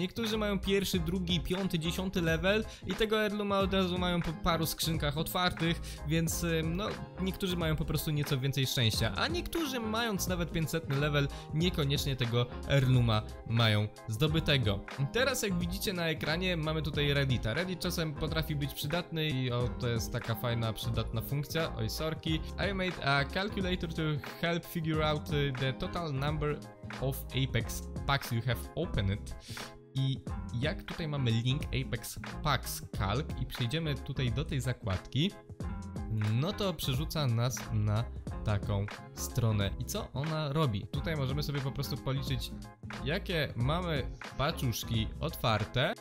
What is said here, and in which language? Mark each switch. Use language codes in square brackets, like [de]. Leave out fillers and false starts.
[pl] Niektórzy mają pierwszy, drugi, piąty, dziesiąty level i tego Heirlooma od razu mają po paru skrzynkach otwartych, więc no, niektórzy mają po prostu nieco więcej szczęścia, a niektórzy mając nawet 500 level, niekoniecznie tego Heirlooma mają zdobytego. Teraz jak widzicie na ekranie, mamy tutaj Reddita. Reddit czasem potrafi być przydatny i o, to jest taka fajna, przydatna funkcja, oj sorki. [en] I made a calculator to help figure out the total number of Apex packs you have opened. [pl] I jak tutaj mamy link Apex Packs Calc i przejdziemy tutaj do tej zakładki, no to przerzuca nas na taką stronę. I co ona robi? Tutaj możemy sobie po prostu policzyć, jakie mamy paczuszki otwarte.